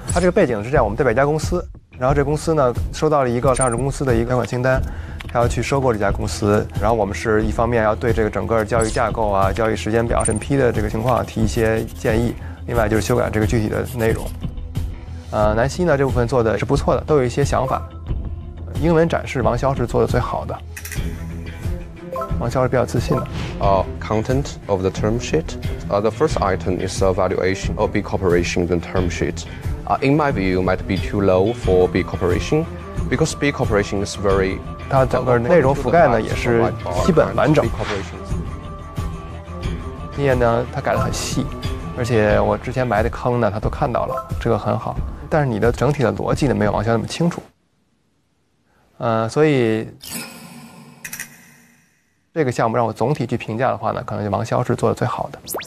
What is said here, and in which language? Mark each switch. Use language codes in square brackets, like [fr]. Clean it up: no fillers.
[zh] 它这个背景是这样，我们代表一家公司，然后这公司呢收到了一个上市公司的一个条款清单，他要去收购这家公司，然后我们是一方面要对这个整个交易架构啊、交易时间表、审批的这个情况提一些建议，另外就是修改这个具体的内容。南希呢这部分做的是不错的，都有一些想法。英文展示王潇是做的最好的，王潇是比较自信的。 [en] Content of the term sheet. The first item is evaluation of B Corporation and term sheet. In my view, might be too low for B Corporation, because B Corporation is very. [zh] 它整个内容覆盖呢也是基本完整。 B 呢，它改得很细，而且我之前埋的坑呢，它都看到了，这个很好。但是你的整体的逻辑呢，没有王潇那么清楚。所以这个项目让我总体去评价的话呢，可能就王潇是做的最好的。